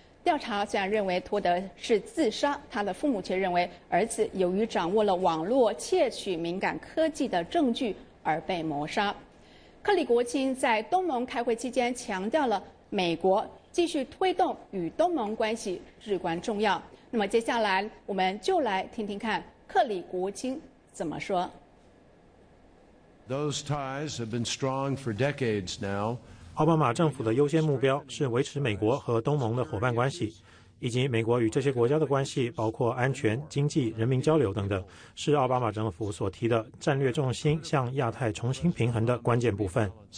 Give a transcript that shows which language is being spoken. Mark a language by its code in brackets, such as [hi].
[zh] 调查虽然认为托德是自杀，他的父母却认为儿子由于掌握了网络窃取敏感科技的证据而被谋杀。克里国卿在东盟开会期间强调了美国继续推动与东盟关系至关重要。那么接下来我们就来听听看克里国卿怎么说。 [en] Those ties have been strong for decades now. [zh] 奥巴马政府的优先目标是维持美国和东盟的伙伴关系，以及美国与这些国家的关系，包括安全、经济、人民交流等等，是奥巴马政府所提的战略重心向亚太重新平衡的关键部分。